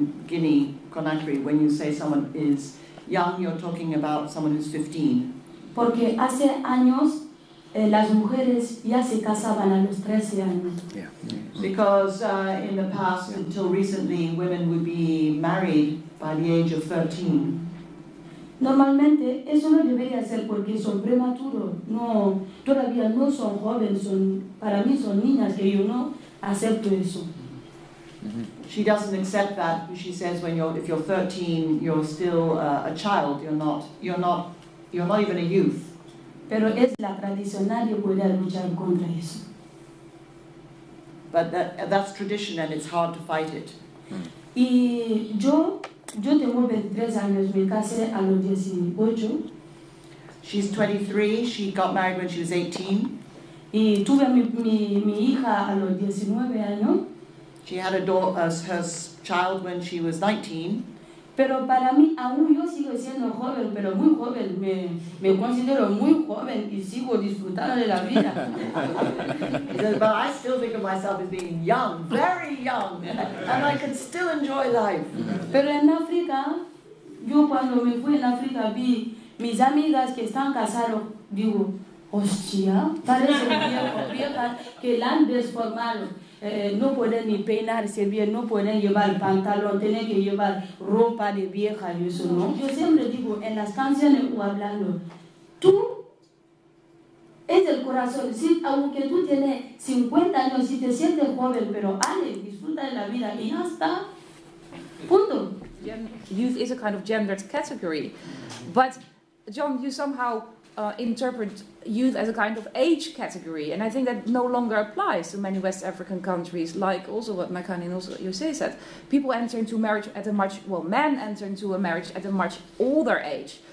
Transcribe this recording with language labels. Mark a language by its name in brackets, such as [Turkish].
[English] When you say someone is young, you're talking about someone who's 15. [Spanish] Porque hace años las mujeres ya se casaban a los 13 años. [English] Yeah. Because in the past, yeah, until recently, women would be married by the age of 13. [Spanish] Normalmente eso no debería ser porque son prematuros. No, todavía no son jóvenes. Son, para mí son niñas que yo no acepto eso. [English] She doesn't accept that. She says, when you're, if you're 13, you're still a child. You're not even a youth. [Spanish] Pero es la tradicional de poder luchar contra eso. [English] But that's tradition, and it's hard to fight it. [Spanish] Y yo tengo 23 años. Me casé a los 18. [English] She's 23. She got married when she was 18. [Spanish] Y tuve mi hija a los 19 años. [English] She had a daughter, her child, when she was 19. [Spanish] Pero para mí, aún yo sigo siendo joven, pero muy joven. Me considero muy joven y sigo disfrutando de la vida. [English] He says, but I still think of myself as being young, very young, and I can still enjoy life. [Spanish] Pero en África, yo cuando me fui en África vi mis amigas que están casadas, digo, hostia, parece vieja que la han desformado. No pueden ni peinarse bien, no pueden llevar pantalón, tienen que llevar ropa de vieja y eso, ¿no? Yo siempre digo, en las canciones o hablando, tú corazón. Si, aunque tú tienes 50 años, si te sientes joven, pero ale, disfruta de la vida y ya está. Punto. [English] Youth is a kind of gendered category. But, John, you somehow interpret youth as a kind of age category, and I think that no longer applies to many West African countries, like also what Makani and also what Yosei said. People enter into marriage at a much, well, men enter into a marriage at a much older age.